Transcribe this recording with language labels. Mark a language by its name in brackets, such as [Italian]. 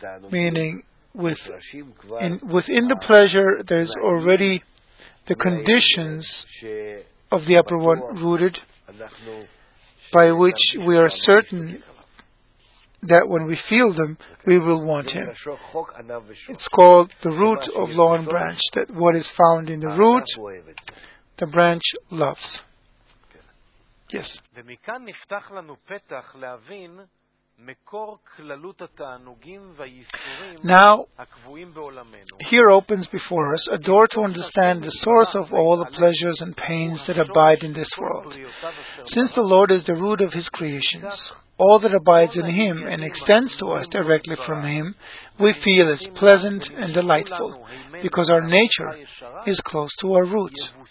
[English] Meaning, within the pleasure, there's already the conditions of the upper one rooted, by which we are certain that when we feel them, we will want him. It's called the root of law and branch, that what is found in the root, the branch loves. Yes. [Hebrew] ומכאן נפתח לנו פתח להבין מקור כללות התענוגים והיסורים הקבועים בעולמנו. [English] Now, here opens before us a door to understand the source of all the pleasures and pains that abide in this world. Since the Lord is the root of his creations, all that abides in him and extends to us directly from him, we feel is pleasant and delightful, because our nature is close to our roots.